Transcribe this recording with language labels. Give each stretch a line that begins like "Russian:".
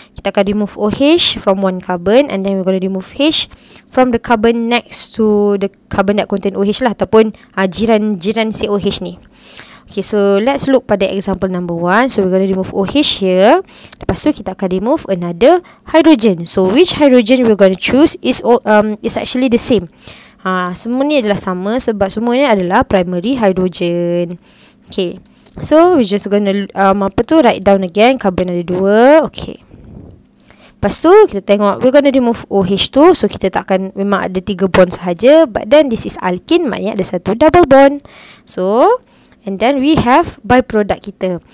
Malay: Kita akan
English: remove OH from one carbon, and then we're going to remove H from the carbon next to the carbon that contain OH lah,
Malay: ataupun jiran COH ni.
English: Okay, so let's look pada example number one. So we're going to remove OH here.
Malay: Lepas tu kita akan remove another hydrogen.
English: So which hydrogen we're going to choose is actually the same.
Malay: Semua ni adalah sama sebab semua ni adalah primary hydrogen.
English: Okay, so we're just going to write down again.
Malay: Carbon ada dua. Okay. Lepas tu kita tengok
English: we're going to remove OH
Malay: tu. So kita takkan memang ada tiga bond sahaja.
English: But then this is alkene,
Malay: maknanya ada satu double bond.
English: So, and then we have byproduct kita.